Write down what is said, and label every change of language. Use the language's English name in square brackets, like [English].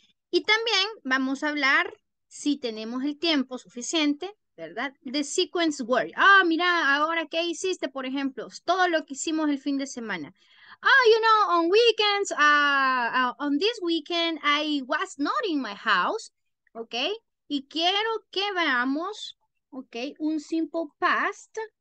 [Spanish] Y también vamos a hablar, si tenemos el tiempo suficiente, ¿verdad? De sequence word. Ah, mira, ahora, ¿qué hiciste? Por ejemplo, todo lo que hicimos el fin de semana. [English] Oh, you know, on weekends, on this weekend, I was not in my house, ¿ok? [Spanish] Y quiero que veamos, ok, un simple past.